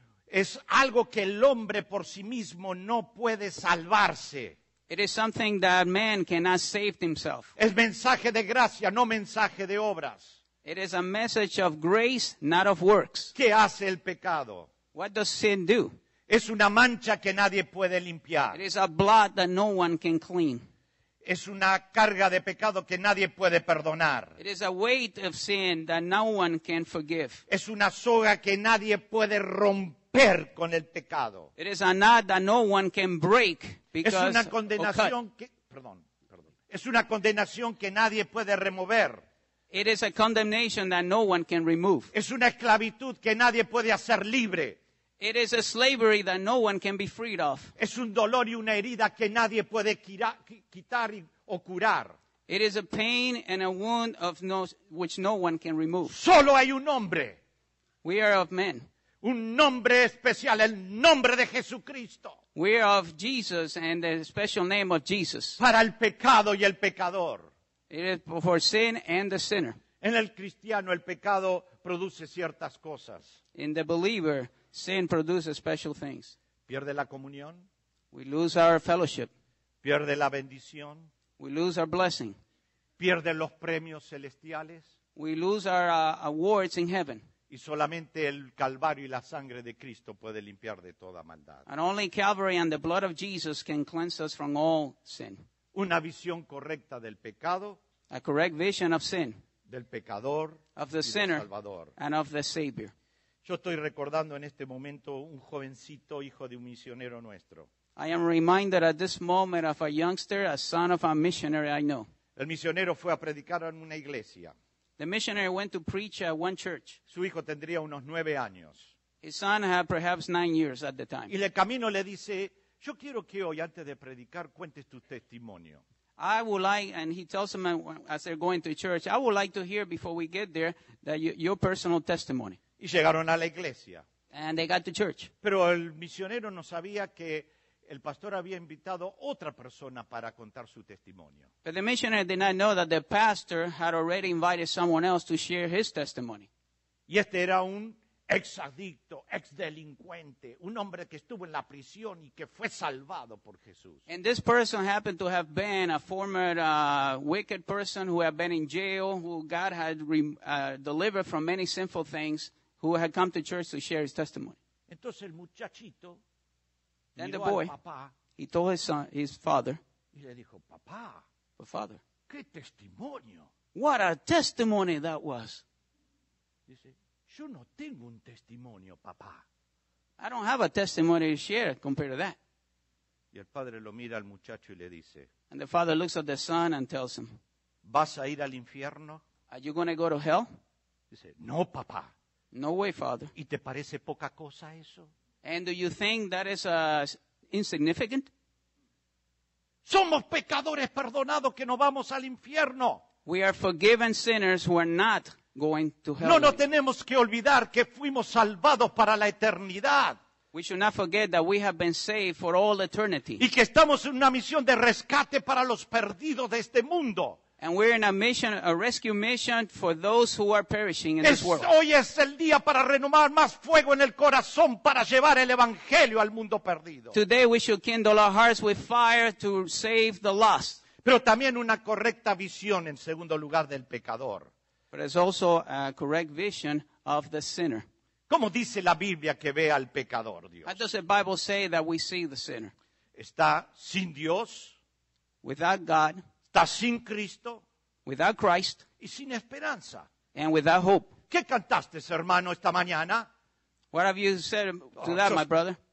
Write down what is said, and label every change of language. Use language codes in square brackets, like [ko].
[es] Es algo que el hombre por sí mismo no puede salvarse. [en] It is something that man cannot save himself. [es] Es mensaje de gracia, no mensaje de obras. [en] It is a message of grace, not of works. [es] ¿Qué hace el pecado? [en] What does sin do? [es] Es una mancha que nadie puede limpiar. [en] It is a blot that no one can clean. [es] Es una carga de pecado que nadie puede perdonar. [en] It is a weight of sin that no one can forgive. [es] Es una soga que nadie puede romper. Per con el pecado. [en] It is a knot that no one can break because [es] es una condenación que, perdón. Es una condenación que nadie puede remover. [en] It is a condemnation that no one can remove. [es] Es una esclavitud que nadie puede hacer libre. [en] It is a slavery that no one can be freed of. [es] Es un dolor y una herida que nadie puede quitar o curar. [en] It is a pain and a wound of no, which no one can remove. [es] Solo hay un nombre. [en] We are of men. [es] Un nombre especial, el nombre de Jesucristo. [en] We are of Jesus and the special name of Jesus. [es] Para el pecado y el pecador. [en] It is for sin and the sinner. [es] En el cristiano el pecado produce ciertas cosas. [en] In the believer, sin produces special things. [es] Pierde la comunión. [en] We lose our fellowship. [es] Pierde la bendición. [en] We lose our blessing. [es] Pierde los premios celestiales. [en] We lose our awards in heaven. [es] Y solamente el Calvario y la sangre de Cristo puede limpiar de toda maldad. [en] And only Calvary and the blood of Jesus can cleanse us from all sin. [es] Una visión correcta del pecado. [en] A correct vision of sin. [es] Del pecador. [en] Of the sinner. [es] Y del Salvador. [en] And of the Savior. [es] Yo estoy recordando en este momento un jovencito hijo de un misionero nuestro. [en] I am reminded at this moment of a youngster, a son of a missionary I know. [es] El misionero fue a predicar en una iglesia. [en] The missionary went to preach at one church. [es] Su hijo tendría unos 9 años. [en] His son had perhaps 9 years at the time. [es] Y el camino le dice, yo quiero que hoy antes de predicar cuentes tu testimonio. [en] I would like, and he tells him as they're going to church, I would like to hear before we get there that your personal testimony. [es] Y llegaron a la iglesia. [en] And they got to church. [es] Pero el misionero no sabía que el pastor había invitado otra persona para contar su testimonio. [en] But the missionary did not know that the pastor had already invited someone else to share his testimony. [es] Y este era un exadicto, exdelincuente, un hombre que estuvo en la prisión y que fue salvado por Jesús. [en] And this person happened to have been a former wicked person who had been in jail, who God had delivered from many sinful things, who had come to church to share his testimony. [es] Entonces el muchachito. [en] Then the boy, he told his son, his father, [es] y le dijo, papá, [en] but father, [es] qué testimonio. [en] What a testimony that was. [es] Dice, yo no tengo un testimonio, papá. [en] I don't have a testimony to share compared to that. [es] Y el padre lo mira al muchacho y le dice, [en] and the father looks at the son and tells him, [es] ¿vas a ir al infierno? [en] Are you going to go to hell? [es] Dice, no, papá. [en] No way, father. [es] ¿Y te parece poca cosa eso? [en] And do you think that is insignificant? [es] Somos pecadores perdonados que no vamos al infierno. [en] We are forgiven sinners who are not going to hell. [es] No nos tenemos que olvidar que fuimos salvados para la eternidad. [en] We should not forget that we have been saved for all eternity. [es] Y que estamos en una misión de rescate para los perdidos de este mundo. [en] And we're in a mission, a rescue mission for those who are perishing in this world. [es] Hoy es el día para renovar más fuego en el corazón para llevar el evangelio al mundo perdido. [en] Today we should kindle our hearts with fire to save the lost. [es] Pero también una correcta visión en segundo lugar del pecador. [en] But it's also a correct vision of the sinner. [es] ¿Cómo dice la Biblia que ve al pecador, Dios? [en] How does the Bible say that we see the sinner? [es] Está sin Dios. [en] Without God. [es] Está sin Cristo. [en] Without Christ. [es] Y sin esperanza. [en] And without hope. [es] ¿Qué cantaste, hermano, esta mañana? [en] What have you said to that, my brother?